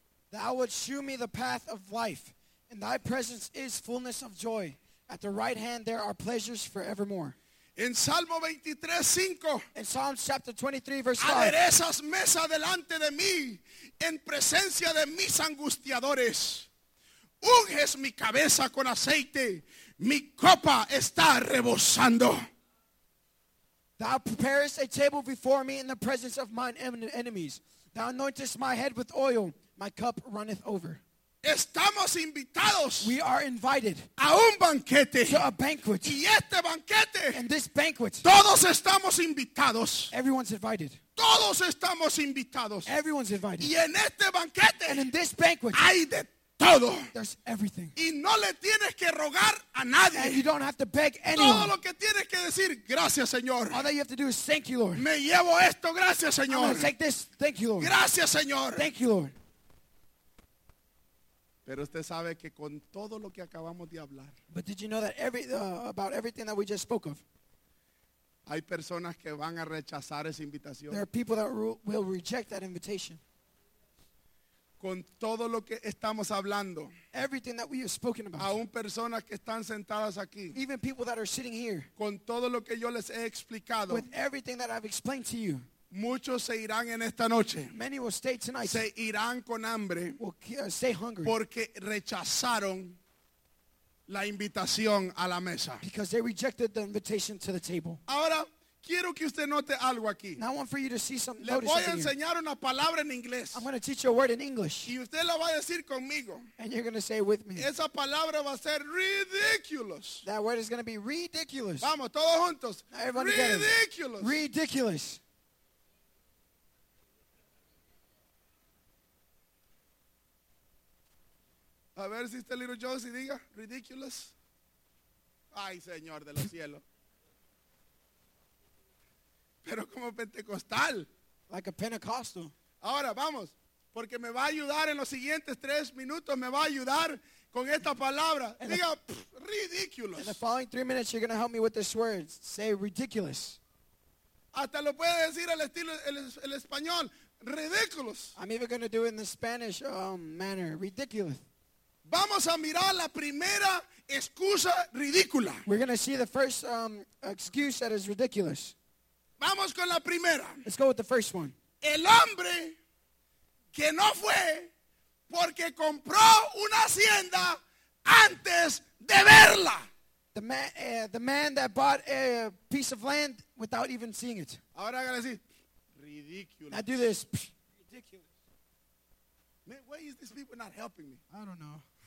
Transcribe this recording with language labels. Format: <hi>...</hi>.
<en>Thou wilt shew me the path of life. In thy presence is fullness of joy. At the right hand there are pleasures forevermore.</en> <es>En Salmo 23:5.</es> <en>In Psalms chapter 23 verse 5.</en> <es>Aderezas mesa delante de mí en presencia de mis angustiadores. Unges mi cabeza con aceite. Mi copa está rebosando.</es> <en>Thou preparest a table before me in the presence of mine enemies. Thou anointest my head with oil. My cup runneth over.</en> <es>Estamos invitados.</es> <en>We are invited.</en> <es>A un banquete.</es> <en>To a banquet.</en> <es>Y este banquete.</es> <en>And this banquet.</en> <es>Todos estamos invitados.</es> <en>Everyone's invited.</en> <es>Todos estamos invitados.</es> <en>Everyone's invited.</en> <es>Y en este banquete.</es> <en>And in this banquet.</en> <es>Hay de todo.</es> <en>There's everything.</en> <es>Y no le tienes que rogar a nadie.</es> <en>And you don't have to beg anyone.</en> <es>Todo lo que tienes que decir, gracias, Señor.</es> <en>All that you have to do is thank you, Lord.</en> <es>Me llevo esto, gracias, Señor.</es> <en>I'm gonna take this, thank you, Lord.</en> <es>Gracias, Señor.</es> <en>Thank you, Lord.</en> <es>Pero usted sabe que con todo lo que acabamos de hablar.</es> <en>But did you know that about everything that we just spoke of?</en> <es>Hay personas que van a rechazar esa invitación.</es> <en>There are people that will reject that invitation.</en> <es>Con todo lo que estamos hablando.</es> <en>Everything that we have spoken about.</en> <es>Aún personas que están sentadas aquí.</es> <en>Even people that are sitting here.</en> <es>Con todo lo que yo les he explicado.</es> <en>With everything that I've explained to you.</en> <es>Muchos se irán en esta noche.</es> <en>Many will stay tonight.</en> <es>Se irán con hambre.</es> <en>Will stay hungry.</en> <es>Porque rechazaron la invitación a la mesa.</es> <en>Because they rejected the invitation to the table.</en> <es>Ahora, quiero que usted note algo aquí.</es> <en>Now I want for you to see something.</en> <es>Le voy a enseñar una palabra en inglés.</es> <en>I'm going to teach you a word in English.</en> <es>Y usted la va a decir conmigo.</es> <en>And you're going to say it with me.</en> <es>Esa palabra va a ser ridiculous.</es> <en>That word is going to be ridiculous.</en> <es>Vamos, todos juntos.</es> <en>Everyone ridiculous. Together. Ridiculous.</en> <es>A ver si este little Josie diga ridiculous. Ay, Señor de los cielos. Pero como pentecostal.</es> <en>Like a Pentecostal.</en> <es>Ahora vamos, porque me va a ayudar en los siguientes tres minutos, me va a ayudar con esta palabra.</es> <en>In</en> <es>diga ridiculous.</es> <en>In the following 3 minutes you're going to help me with this word. Say ridiculous.</en> <es>Hasta lo puede decir al estilo el español, ridiculous.</es> <en>I'm even going to do it in the Spanish manner, ridiculous.</en> <es>Vamos a mirar la primera excusa ridícula.</es> <en>We're going to see the first excuse that is ridiculous.</en> <es>Vamos con la primera.</es> <en>Let's go with the first one.</en> <es>El hombre que no fue porque compró una hacienda antes de verla.</es> <en>The man that bought a piece of land without even seeing it.</en> <es>Ahora hágale así. Ridiculous.</es> <en>Now do this. Ridiculous. Man, why is these people not helping me? I don't know.</en>